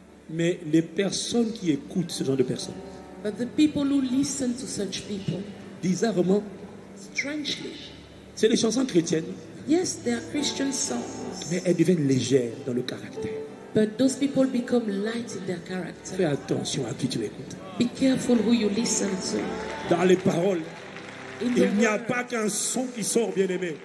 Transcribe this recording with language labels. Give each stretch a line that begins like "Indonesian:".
French: Mais les personnes qui écoutent ce genre de personnes.
English: But the people who listen to such people.
French: Bizarrement.
English: Strangely.
French: C'est les chansons chrétiennes.
English: Yes, they are Christian songs.
French: Mais elles deviennent légères dans le caractère.
English: But those people become light in their character.
French: Fais attention à qui tu écoutes.
English: Be careful who you listen to.
French: Dans les paroles, il n'y a pas qu'un son qui sort, bien-aimé.